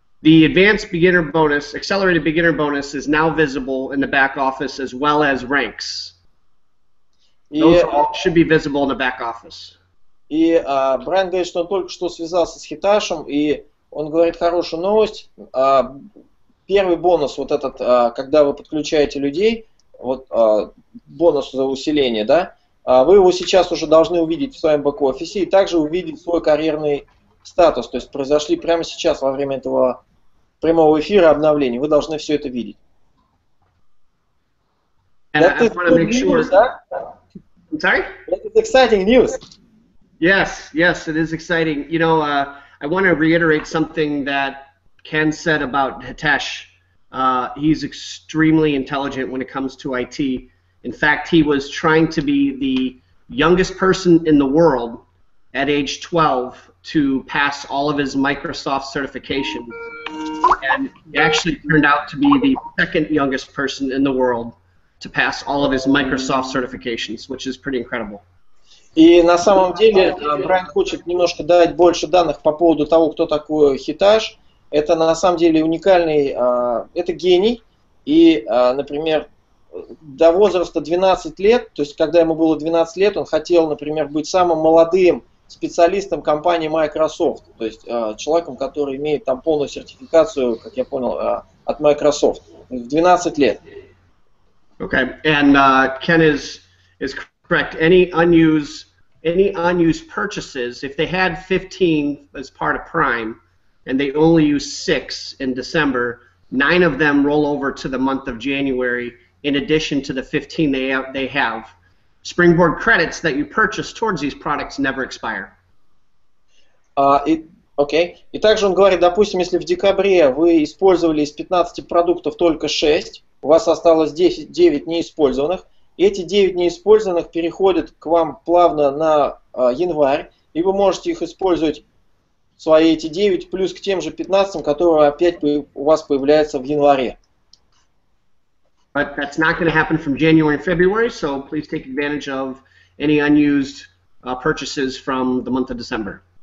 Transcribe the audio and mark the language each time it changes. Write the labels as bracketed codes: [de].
[en] The advanced beginner bonus, accelerated beginner bonus, is now visible in the back office as well as ranks. Those all should be visible in the back office. [ru] И Брайан говорит, что он только что связался с Hitesh'ом, и он говорит хорошую новость. Первый бонус, вот этот, когда вы подключаете людей, вот бонус за усиление, да, вы его сейчас уже должны увидеть в своем бэк-офисе и также увидеть свой карьерный статус. То есть произошли прямо сейчас во время этого прямого эфира обновления. Вы должны все это видеть. [en] That is good news, sure. Huh? I'm sorry? That is exciting news. Yes, yes, it is exciting. You know, I want to reiterate something that Ken said about Hitesh. He's extremely intelligent when it comes to IT. In fact, he was trying to be the youngest person in the world at age 12 to pass all of his Microsoft certifications. And he actually turned out to be the second youngest person in the world to pass all of his Microsoft certifications, which is pretty incredible. [ru] И на самом деле, Брайан хочет немножко дать больше данных по поводу того, кто такой Hitesh. Это на самом деле уникальный, это гений. И, например, до возраста 12 лет, то есть когда ему было 12 лет, он хотел, например, быть самым молодым специалистом компании Microsoft, то есть человеком, который имеет там полную сертификацию, как я понял, от Microsoft, в 12 лет. [en] Okay, and Ken is correct. Any unused purchases, if they had 15 as part of Prime, and they only use 6 in December, 9 of them roll over to the month of January in addition to the 15 they have. Springboard credits that you purchase towards these products never expire. Okay. [ru] И также он говорит, допустим, если в декабре вы использовали из 15 продуктов только 6, у вас осталось 10, 9 неиспользованных, И эти 9 неиспользованных переходят к вам плавно на январь, и вы можете их использовать, свои эти 9, плюс к тем же 15, которые опять у вас появляются в январе. [en] But that's not going to happen from January and February, so please take advantage of any unused purchases from the month of December.